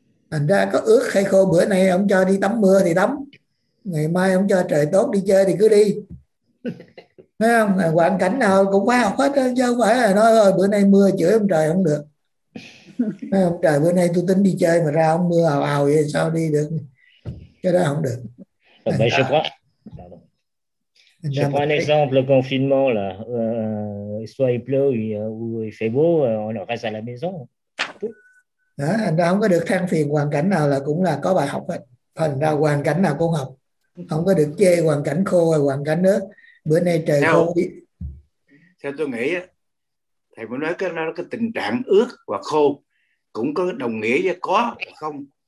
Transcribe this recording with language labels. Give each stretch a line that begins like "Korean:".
Vietnamese: Thành ra có ướt hay khô, bữa nay ông cho đi tắm mưa thì tắm, ngày mai ông cho trời tốt đi chơi thì cứ đi. Thấy không? Là hoàn cảnh nào cũng phải học hết đó. Chứ không phải là nói ơi bữa nay mưa chửi ông trời không được. Thấy không? Trời bữa nay tôi tính đi chơi mà ra ông mưa ào ào vậy sao đi được. Cái đó không được.
French: Mais je prends un exemple, le confinement là soit il pleut ou il fait beau, on reste à la maison.
Vietnamese: Thành ra không có được than phiền hoàn cảnh nào, là cũng là có bài học hết. Thành ra hoàn cảnh nào cũng học, không có được chê hoàn cảnh khô hay hoàn cảnh nước. Bữa nay trời khô. Theo tôi nghĩ thầy muốn nói cái tình trạng ướt và khô cũng có đồng nghĩa với có không.